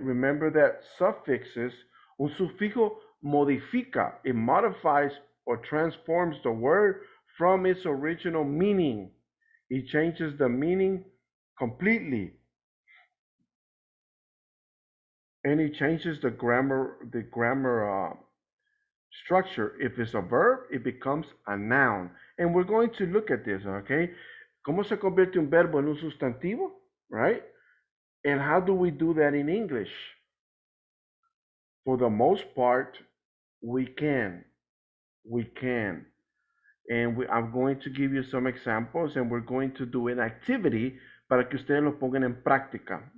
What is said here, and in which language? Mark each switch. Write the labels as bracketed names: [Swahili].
[English] Remember that suffixes, [Spanish] un sufijo modifica, [English] it modifies or transforms the word from its original meaning. It changes the meaning completely. And it changes the grammar structure. If it's a verb, it becomes a noun. And we're going to look at this, okay? [Spanish] ¿Cómo se convierte un verbo en un sustantivo, [English] right? And how do we do that in English? For the most part, we can. And I'm going to give you some examples and we're going to do an activity [Spanish] para que ustedes lo pongan en práctica.